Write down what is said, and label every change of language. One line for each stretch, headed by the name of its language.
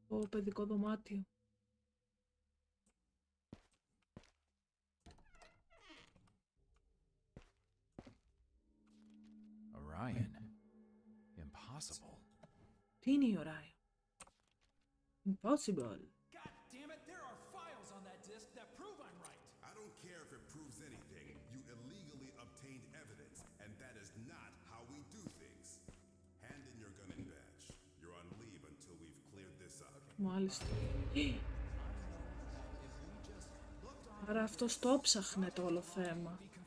Greek: Παιδικό δωμάτιο.
English: Orion. Impossible.
Greek: Τι είναι η Orion.
English: Impossible. God damn it, there are files on that disk that prove I'm right. I don't care if it proves anything. You illegally obtained evidence, and that is not how we do things. Hand in your gun and badge. You're on leave until we've cleared this up.
Greek: Μάλιστα. Άρα αυτός το ψάχνε το όλο θέμα.